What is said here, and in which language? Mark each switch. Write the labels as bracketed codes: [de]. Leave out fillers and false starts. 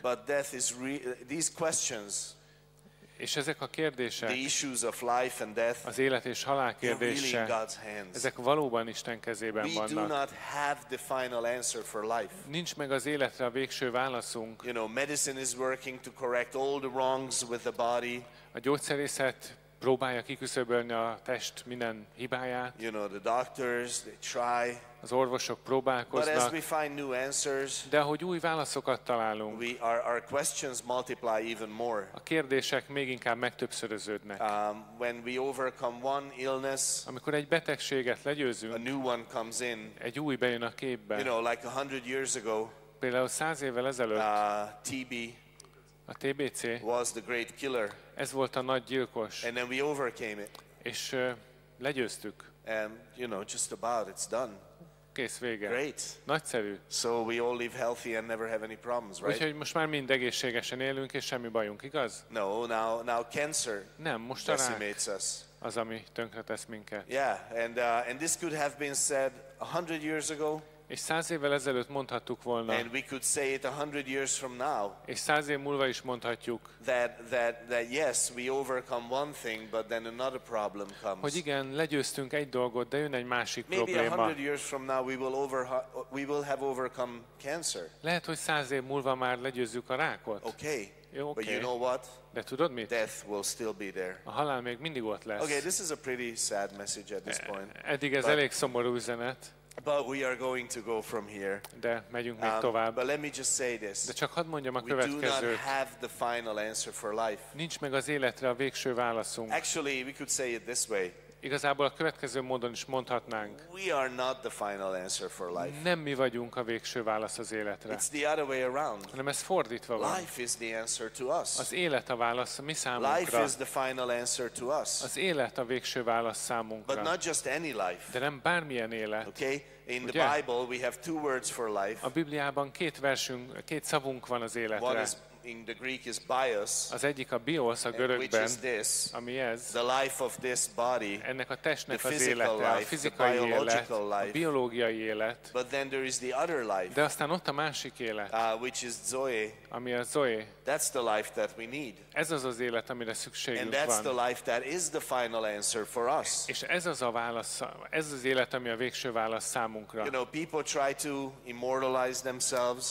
[en] But death is these questions. [hu] És ezek a kérdések. [en] The issues of life and death. [hu] Az élet és halál kérdése. [en] Really in God's hands. [hu] Ezek valóban Isten kezében [en] we [hu] vannak. [en] We do not have the final answer for life. [hu] Nincs meg az életre a végső válaszunk. [en] You know, medicine is working to correct all the wrongs with the body. [hu] A gyógyszerészet próbálja kiküszöbölni a test minden hibáját. [en] You know, the doctors, they try. [hu] Az orvosok próbálkoznak. [en] But as we find new answers, [hu] de ahogy új válaszokat találunk, [en] we, our questions multiply even more. [hu] A kérdések még inkább megtöbbszöröződnek. [en] When we overcome one illness, [hu] amikor egy betegséget legyőzünk, [en] a new one comes in. [hu] Egy új bejön a képbe. [en] You know, like 100 years ago, [hu] például 100 évvel ezelőtt, [en] TB, [hu] a TBC [en] was the great killer. [hu] Ez volt a nagy gyilkos. [en] And then we overcame it. [hu] És legyőztük. [en] And, you know, just about, it's done. [hu] Kész, vége. [en] Great. [hu] Nagyszerű. [en] So we all live healthy and never have any problems, right? [hu] Úgyhogy most már mind egészségesen élünk és semmi bajunk, igaz? [en] No, now cancer. [hu] Nem, most a rák az, ami tönkretesz minket. [en] Yeah, and this could have been said 100 years ago. [hu] És 100 évvel ezelőtt mondhattuk volna. [en] And we could say it 100 years from now. [hu] És 100 év múlva is mondhatjuk. [en] That yes, we overcome one thing, but then another problem comes. [hu] Hogy igen, legyőztünk egy dolgot, de jön egy másik probléma. [en] Maybe 100 years from now we will have overcome cancer. [hu] Lehet, hogy 100 év múlva már legyőzzük a rákot. [en] Okay. [hu] Jó, okay. [en] But you know what? [hu] De tudod mit? [en] Death will still be there. [hu] A halál még mindig ott lesz. [en] Okay, this is a pretty sad message at this point. [hu] Eddig ez elég szomorú üzenet. [en] But we are going to go from here. [hu] De megyünk még tovább. [en] But let me just say this. [hu] De csak hadd mondjam a következőt. [en] We do not have the final answer for life. [hu] Nincs meg az életre a végső válaszunk. [en] Actually, we could say it this way. [hu] Igazából a következő módon is mondhatnánk. [en] We are not the final answer for life. [hu] Nem mi vagyunk a végső válasz az életre. [en] It's the other way around. [hu] Hanem ez fordítva van. [en] Life is the answer to us. [hu] Az élet a válasz mi számunkra. [en] Life is the final answer to us. [hu] Az élet a végső válasz számunkra. [en] But not just any life. [hu] De nem bármilyen élet. [en] Okay? In the Bible we have two words for life. [hu] A Bibliában két versünk, két szavunk van az életre. [en] In the Greek is bios. [hu] Az egyik a bios a görögben. [en] Which is this, [hu] ami ez. [en] The life of this body. [hu] Ennek a testnek az élete, life, a fizikai élet, [en] life, [hu] a biológiai élet. [en] But then there is the other life. [hu] De aztán ott a másik élet. [en] Which is zoe. [hu] Ami a zoe. [en] That's the life that we need. [hu] Ez az az élet, amire szükségünk [en] and that's [hu] van. [en] And the life that is the final answer for us. [hu] És ez az a válasz, ez az élet, ami a végső válasz számunkra. [en] You know, people try to immortalize themselves.